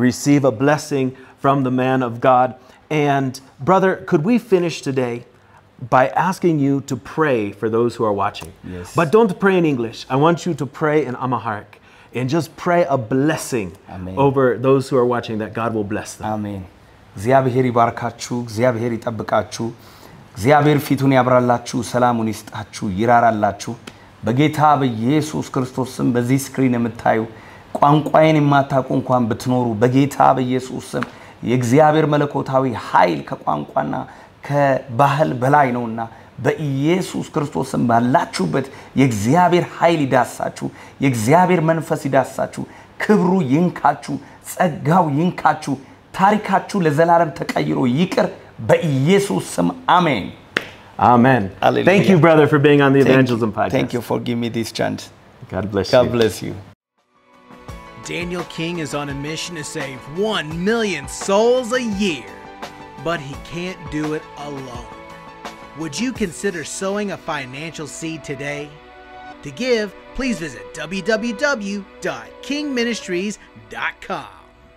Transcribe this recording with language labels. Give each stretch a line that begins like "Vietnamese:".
English: Receive a blessing from the man of God. And brother, could we finish today by asking you to pray for those who are watching? Yes. But don't pray in English. I want you to pray in Amharic. And just pray a blessing Amen. Over those who are watching, that God will bless them. Amen.
Amharic: እግዚአብሔር ይባርካችሁ፣ እግዚአብሔር ይጠብቃችሁ፣ እግዚአብሔር ፊቱን ያብራላችሁ፣ ሰላሙን ይስጣችሁ፣ ይራራላችሁ። በጌታ በኢየሱስ ክርስቶስ ስም በዚህ ስክሪን የምታዩ ቋንቋዬን የማታውቁ እንኳን ብትኖሩ በጌታ በኢየሱስ ስም የእግዚአብሔር መለኮታዊ ኃይል ከቋንቋና ከባህል በላይ ነውና በኢየሱስ ክርስቶስም ባላችሁበት የእግዚአብሔር ኃይል ይዳሳችሁ የእግዚአብሔር መንፈስ ይዳሳችሁ ክብሩ ይንካችሁ ጸጋው ይንካችሁ ታሪካችሁ ለዘላለም ተቀይሮ ይቅር በኢየሱስ ስም አሜን አሜን ሃሌሉያ
English: Thank you brother for being on the Evangelism podcast. Thank you for giving me this chance. God bless God you. God bless you. Daniel King is on a mission to save 1 million souls a year, but he can't do it alone. Would you consider sowing a financial seed today? To give, please visit www.kingministries.com.